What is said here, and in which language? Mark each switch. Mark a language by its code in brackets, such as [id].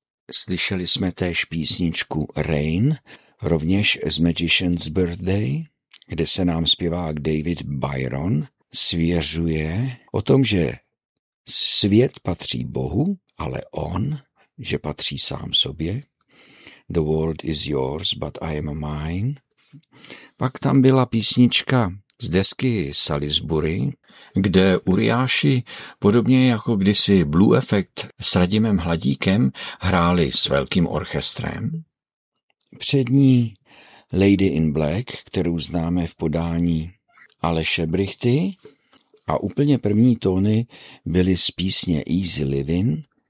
[cs] Slyšeli jsme též písničku Rain, rovněž z Magician's Birthday, kde se nám zpěvák David Byron svěřuje o tom, že svět patří Bohu, ale on, že patří sám sobě. [en] The world is yours, but I am mine. [cs] Pak tam byla písnička z desky Salisbury, kde Uriáši, podobně jako kdysi Blue Effect s Radimem Hladíkem, hráli s velkým orchestrem. Přední Lady in Black, kterou známe v podání Aleše Brichty, a úplně první tóny byly z písně Easy Living,